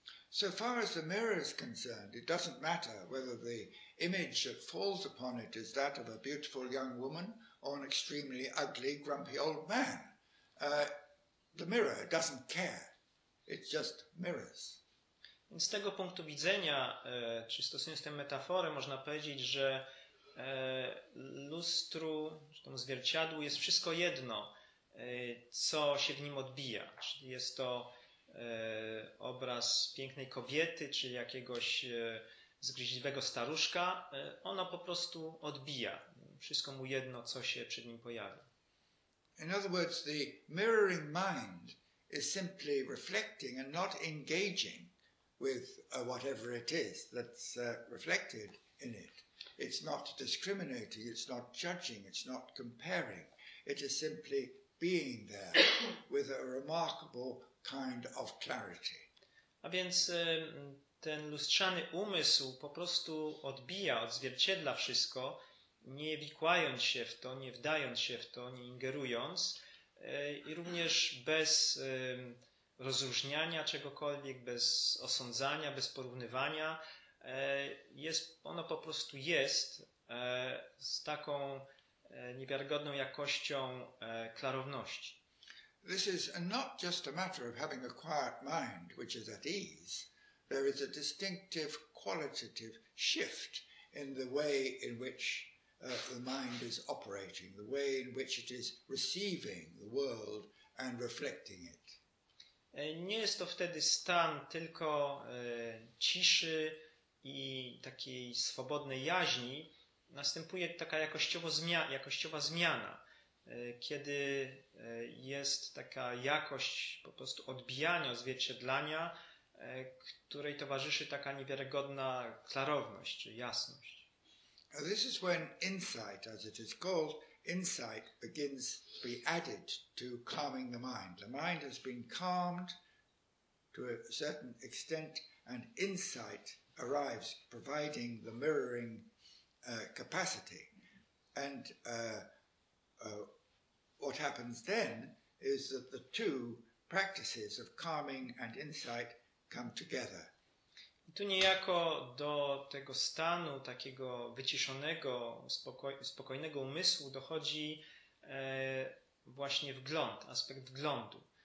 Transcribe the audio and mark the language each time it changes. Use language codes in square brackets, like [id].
[en] So far as the mirror is concerned, it doesn't matter whether the image that falls upon it is that of a beautiful young woman or an extremely ugly, grumpy old man. The mirror doesn't care. It's just mirrors. [pl] Więc z tego punktu widzenia, czy stosując tę metaforę, można powiedzieć, że lustru, czy temu zwierciadłu jest wszystko jedno, co się w nim odbija. Czyli jest to obraz pięknej kobiety, czy jakiegoś zgryźliwego staruszka, ono po prostu odbija. Wszystko mu jedno, co się przed nim pojawia. [en] In other words, the mirroring mind is simply reflecting and not engaging with whatever it is that's reflected in it. It's not discriminating, it's not judging, it's not comparing. It is simply being there with a remarkable kind of clarity. [pl] A więc ten lustrzany umysł po prostu odbija, odzwierciedla wszystko, nie wikłając się w to, nie wdając się w to, nie ingerując, i również bez rozróżniania czegokolwiek, bez osądzania, bez porównywania, jest, ono po prostu jest z taką niewiarygodną jakością klarowności. [en] This is not just a matter of having a quiet mind which is at ease. There is a distinctive qualitative shift in the way in which the mind is operating, the way in which it is receiving the world and reflecting it. [pl] Nie jest to wtedy stan tylko ciszy i takiej swobodnej jaźni. Następuje taka jakościowa zmiana, kiedy jest taka jakość po prostu odbijania, odzwierciedlania, której towarzyszy taka niewiarygodna klarowność czy jasność. [en] This is when insight, as it is called, insight begins to be added to calming the mind. The mind has been calmed to a certain extent and insight arrives, providing the mirroring capacity. And What happens then is that the two practices of calming and insight come together. [pl] Tu niejako do tego stanu takiego wyciszonego, spokojnego umysłu dochodzi właśnie wgląd, aspekt wglądu.